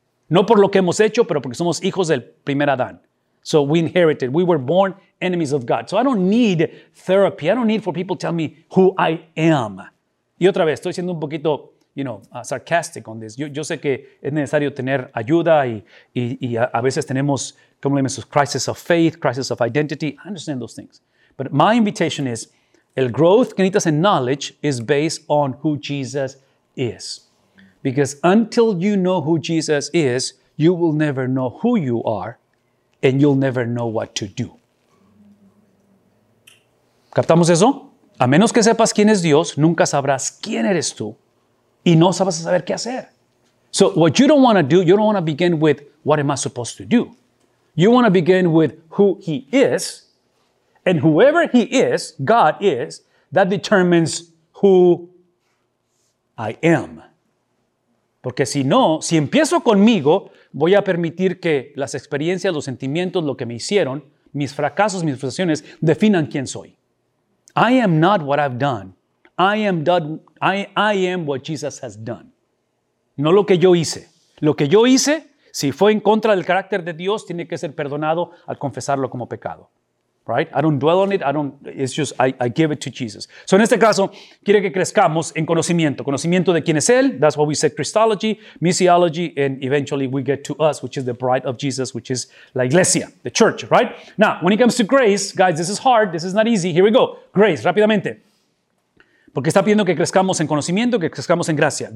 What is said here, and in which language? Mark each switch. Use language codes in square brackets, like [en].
[es] No por lo que hemos hecho, pero porque somos hijos del primer Adán. [en] So we inherited. We were born enemies of God. So I don't need therapy. I don't need for people to tell me who I am. [es] Y otra vez, estoy siendo un poquito, [en] you know, sarcastic on this. [es] Yo sé que es necesario tener ayuda y a veces tenemos, ¿cómo le llamamos? [en] Crisis of faith, crisis of identity. I understand those things. But my invitation is, el growth [es] que necesitas en [en] knowledge is based on who Jesus is. Because until you know who Jesus is, you will never know who you are and you'll never know what to do. [es] ¿Captamos eso? A menos que sepas quién es Dios, nunca sabrás quién eres tú y no sabrás saber qué hacer. [en] So what you don't want to do, you don't want to begin with what am I supposed to do. You want to begin with who he is, and whoever he is, God is, that determines who I am. [es] Porque si no, si empiezo conmigo, voy a permitir que las experiencias, los sentimientos, lo que me hicieron, mis fracasos, mis frustraciones, definan quién soy. [en] I am not what I've done. I am what Jesus has done. [es] No lo que yo hice. Lo que yo hice, si fue en contra del carácter de Dios, tiene que ser perdonado al confesarlo como pecado. [en] Right? I don't dwell on it. I give it to Jesus. So [es] en este caso, quiere que crezcamos en conocimiento. Conocimiento de quién es Él. [en] That's why we said Christology, missiology, and eventually we get to us, which is the bride of Jesus, which is [es] la iglesia, [en] the church, right? Now, when it comes to grace, guys, this is hard. This is not easy. Here we go. Grace, rápidamente. [es] Porque está pidiendo que crezcamos en conocimiento, que crezcamos en gracia.